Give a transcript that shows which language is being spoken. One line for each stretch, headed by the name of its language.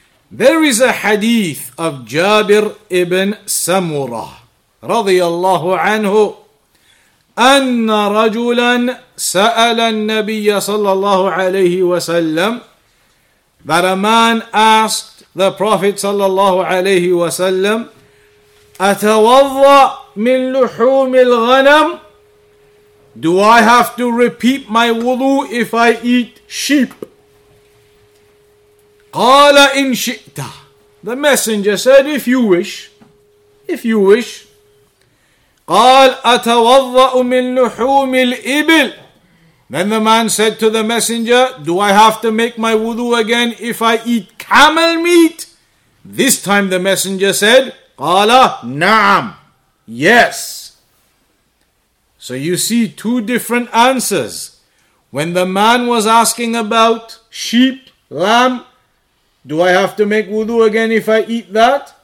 English: There is a hadith of Jabir ibn Samurah, radiyallahu anhu,
Arabic: أن رجلا سأل النبي صلى الله عليه وسلم,
English: that a man asked the Prophet
Arabic: صلى الله عليه وسلم, أتوضأ من لحوم الغنم,
English: do I have to repeat my wudu if I eat sheep?
Arabic: قال إن شئت,
English: the messenger said, if you wish,
Arabic: قال أتوضأ من لحوم الإبل.
English: Then the man said to the messenger, do I have to make my wudu again if I eat camel meat? This time the messenger said,
Arabic: قال نعم,
English: yes. So you see two different answers. When the man was asking about sheep, lamb, do I have to make wudu again if I eat that?